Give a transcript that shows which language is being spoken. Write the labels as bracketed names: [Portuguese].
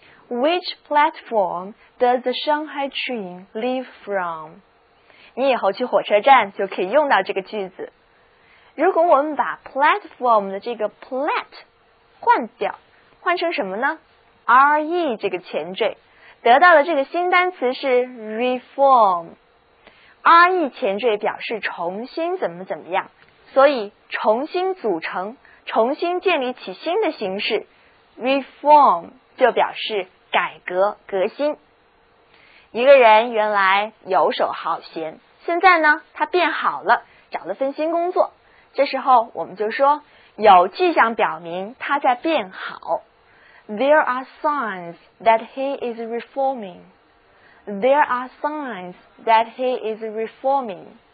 [English] Which platform does the Shanghai train leave from？ [Chinese] 你以后去火车站就可以用到这个句子。如果我们把 platform 的这个 plat 换掉，换成什么呢？ re 这个前缀，得到的这个新单词是 reform。 re 前缀表示重新怎么怎么样，所以重新组成，重新建立起新的形式， reform 就表示改革、革新。一个人原来游手好闲，现在呢他变好了，找了份新工作，这时候我们就说有迹象表明他在变好。 [English] There are signs that he is reforming， There are signs that he is reforming。